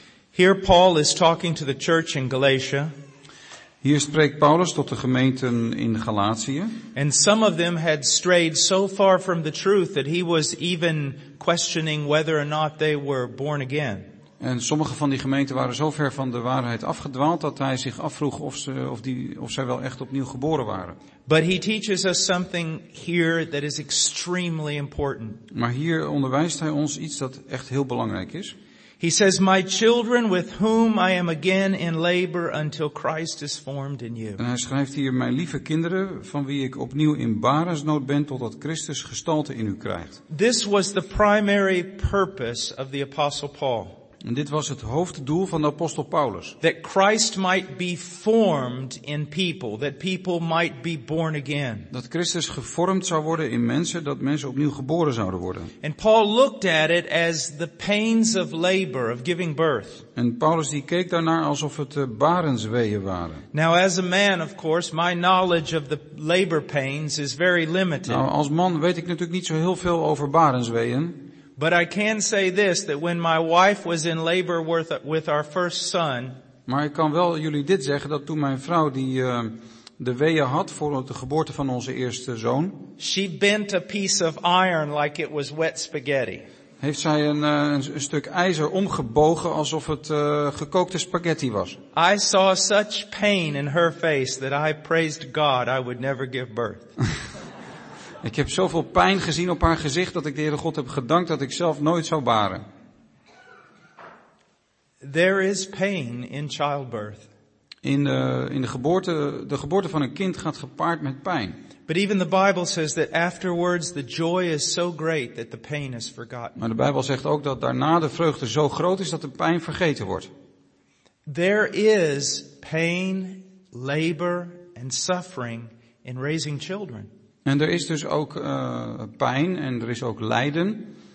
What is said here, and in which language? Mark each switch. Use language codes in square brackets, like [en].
[en] Here Paul is talking to the church in Galatia. [nl] Hier spreekt Paulus tot de gemeenten in Galatië. [en] And some of them had strayed so far from the truth that he was even questioning whether or not they were born again. [nl] En sommige van die gemeenten waren zo ver van de waarheid afgedwaald dat hij zich afvroeg of zij wel echt opnieuw geboren waren. [en] But he teaches us something here that is extremely important. [nl] Maar hier onderwijst hij ons iets dat echt heel belangrijk is. [en] He says, "My children, with whom I am again in labor until Christ is formed in you." [nl] En hij schrijft hier: "Mijn lieve kinderen, van wie ik opnieuw in barensnood ben totdat Christus gestalte in u krijgt." [en] This was the primary purpose of the Apostle Paul. [nl] En dit was het hoofddoel van de apostel Paulus. [en] That Christ might be formed in people, that people might be born again. [nl] Dat Christus gevormd zou worden in mensen, dat mensen opnieuw geboren zouden worden. [en] And Paul looked at it as the pains of labor of giving birth. [nl] En Paulus die keek daarnaar alsof het barensweeën waren. [en] Now as a man of course, my knowledge of the labor pains is very limited. [nl] Nou, als man weet ik natuurlijk niet zo heel veel over barensweeën. [en] But I can say this, that when my wife was in labor with our first son. [nl] Maar ik kan wel jullie dit zeggen, dat toen mijn vrouw de weeën had voor de geboorte van onze eerste zoon. [en] She bent a piece of iron like it was wet spaghetti. [nl] Heeft zij een stuk ijzer omgebogen alsof het gekookte spaghetti was. [en] I saw such pain in her face that I praised God I would never give birth. [nl] Ik heb zoveel pijn gezien op haar gezicht dat ik de Heere God heb gedankt dat ik zelf nooit zou baren. [en] There is pain in childbirth. [nl] In de geboorte van een kind gaat gepaard met pijn. [en] But even the Bible says that afterwards the joy is so great that the pain is forgotten. [nl] Maar de Bijbel zegt ook dat daarna de vreugde zo groot is dat de pijn vergeten wordt. [en] There is pain, labor and suffering in raising children. [nl] En er is dus ook pijn en er is ook lijden.